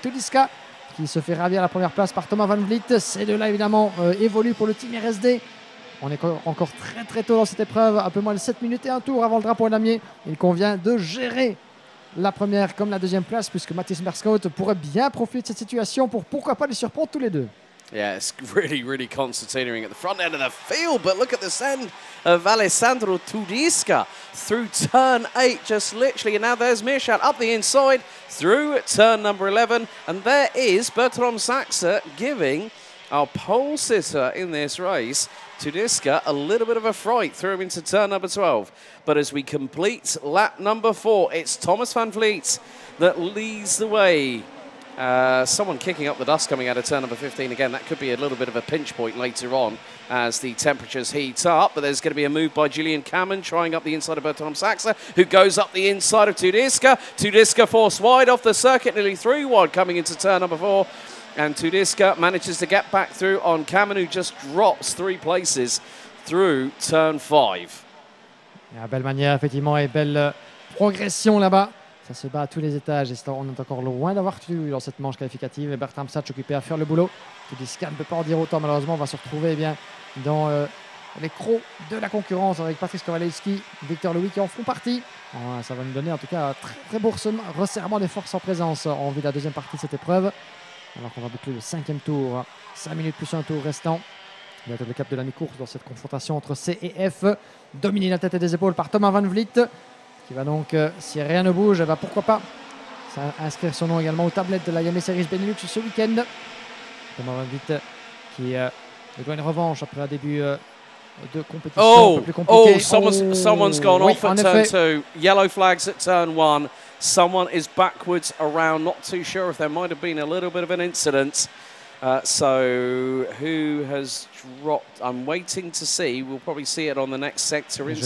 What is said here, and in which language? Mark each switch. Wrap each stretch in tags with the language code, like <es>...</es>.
<fr>Tudiska qui se fait ravir à la première place par Thomas Van Vliet. Ces deux-là, évidemment, évoluent pour le team RSD. On est encore très très tôt dans cette épreuve, un peu moins de 7 minutes et un tour avant le drapeau en damier. Il convient de gérer la première comme la deuxième place, puisque Mathis Merskout pourrait bien profiter de cette situation pour pourquoi pas les surprendre tous les deux.</fr> <en>Yeah, it's really, really concertinaing at the front end of the field, but look at this end of Alessandro Tudiska through turn 8, just literally, and now there's Mirschat up the inside through turn number 11, and there is Bertram Saxa giving our pole sitter in this race, Tudiska, a little bit of a fright, threw him into turn number 12. But as we complete lap number 4, it's Thomas Van Vliet that leads the way. Someone kicking up the dust coming out of turn number 15 again. That could be a little bit of a pinch point later on as the temperatures heat up. But there's going to be a move by Julian Kamen trying up the inside of Bertram Saxa, who goes up the inside of Tudiska. Tudiska forced wide off the circuit, nearly 3 wide coming into turn number 4. And Tudiska manages to get back through on Kamen, who just drops 3 places through turn 5.</en> <fr>Yeah, belle manière, effectivement, et belle progression là-bas. Ça se bat à tous les étages et on est encore loin d'avoir tout dans cette manche qualificative. Et Bertram Saxa occupé à faire le boulot. Tudiska ne peut pas en dire autant, malheureusement. On va se retrouver dans les crocs de la concurrence avec Patrice Kowalewski, Victor Louis qui en font partie. Ça va nous donner en tout cas un très, très beau resserrement des forces en présence en vue de la deuxième partie de cette épreuve. Alors qu'on va boucler le 5e tour, 5 minutes plus un tour restant. Il y a le cap de la mi-course dans cette confrontation entre C et F, dominé la tête et des épaules par Thomas Van Vliet. Qui va donc, si rien ne bouge, va pourquoi pas inscrire son nom également aux tablettes de la Yamaha Series Benelux ce week-end. Thomas Van Vliet qui doit une revanche après un début de compétition un peu plus compliqué.</fr> <en>Someone's gone off at turn 2. Yellow flags at turn 1. Someone is backwards around. Not too sure if there might have been a little bit of an incident. So who has dropped? I'm waiting to see. We'll probably see it on the next sector interval.</en>